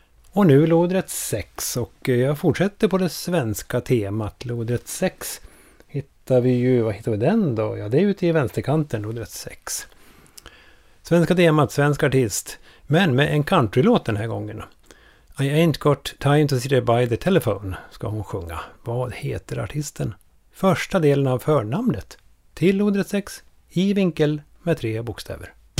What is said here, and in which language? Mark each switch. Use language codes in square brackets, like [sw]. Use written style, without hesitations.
[sv] Och nu lodrätt 6, och jag fortsätter på det svenska temat. Lodrätt 6 hittar vi ju, vad hittar vi den då? Ja, det är ute i vänsterkanten, lodrätt 6. Svenska temat, svensk artist, men med en countrylåt den här gången. [en] I ain't got time to sit by the telephone, [sv] ska hon sjunga. Vad heter artisten? Första delen av förnamnet. Till lodrätt 6, i vinkel med 3 bokstäver.